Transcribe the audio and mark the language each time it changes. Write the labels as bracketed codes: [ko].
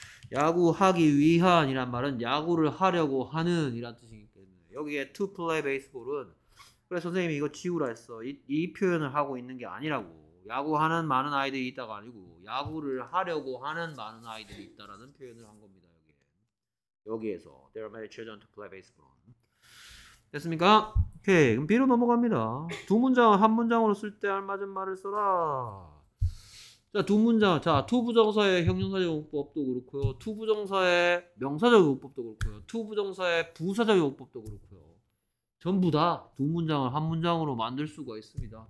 [ko] 야구하기 위한이란 말은 야구를 하려고 하는이란 뜻이겠네요. 여기에 to play baseball 은 그래 선생님이 이거 지우라 했어. 이 표현을 하고 있는 게 아니라고. 야구하는 많은 아이들이 있다가 아니고 야구를 하려고 하는 많은 아이들이 있다라는 표현을 한 겁니다. [en] 여기에서 there are many children to play baseball. [ko] 됐습니까? 오케이. 그럼 B로 넘어갑니다. 두 문장, 한 문장으로 쓸 때 알맞은 말을 써라. 자, 두 문장. 자, 투 부정사의 형용사적 용법도 그렇고요. 투 부정사의 명사적 용법도 그렇고요. 투 부정사의 부사적 용법도 그렇고요. 전부 다 두 문장을 한 문장으로 만들 수가 있습니다.